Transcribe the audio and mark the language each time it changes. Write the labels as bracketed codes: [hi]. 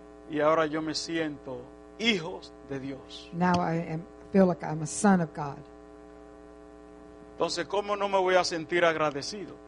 [es] Y ahora yo me siento hijos de Dios. [en] Now I feel like I'm a son of God. [es] Entonces, ¿cómo no me voy a sentir agradecido?